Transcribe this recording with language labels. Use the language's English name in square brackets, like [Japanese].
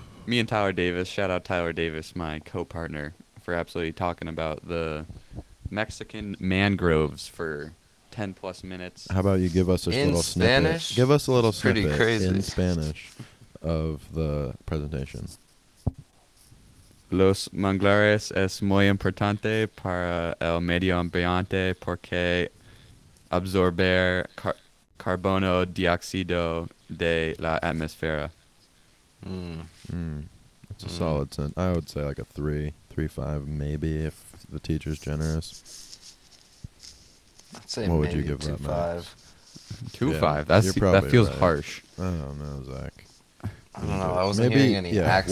[English] Me and Tyler Davis, shout out Tyler Davis, my co-partner, for absolutely talking about the Mexican mangroves for 10 plus minutes. How about you give us a little snippet? Give us a little snippet in Spanish of the presentation. [Spanish] Los manglares es muy importante para el medio ambiente porque absorber carbono dióxido de la atmósfera. [English] It's a solid sentence. I would say like a 3.5 maybe if the teacher's generous. I'd say what would you give 2.5. 2.5. That feels harsh. I don't know, Zach. I wasn't hearing any accents.